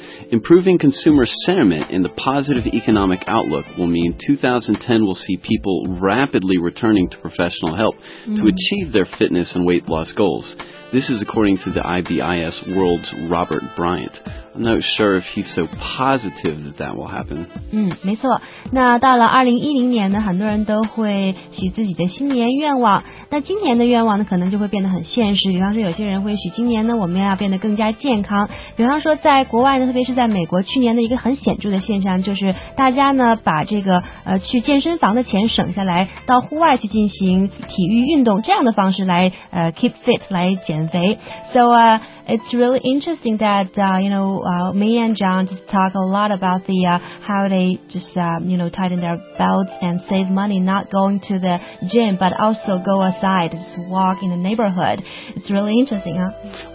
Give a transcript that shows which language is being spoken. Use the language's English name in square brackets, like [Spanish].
[English] Improving consumer sentiment and the positive economic outlook will mean 2010 will see people rapidly returning to professional help to achieve their fitness and weight loss goals. This is according to the IBIS World's Robert Bryant. I'm not sure if he's so positive that that will happen. [Chinese] 没错，那到了2010年呢，很多人都会许自己的新年愿望。那今年的愿望呢，可能就会变得很现实。比方说，有些人会许今年呢，我们要变得更加健康。比方说，在国外呢，特别是在美国，去年的一个很显著的现象就是，大家呢把这个去健身房的钱省下来，到户外去进行体育运动，这样的方式来 [English] keep fit [Chinese] 来减肥。 [English] So it's really interesting that me and John just talk a lot about the how they just tighten their belts and save money, not going to the gym, but also go outside, just walk in the neighborhood. It's really interesting, huh?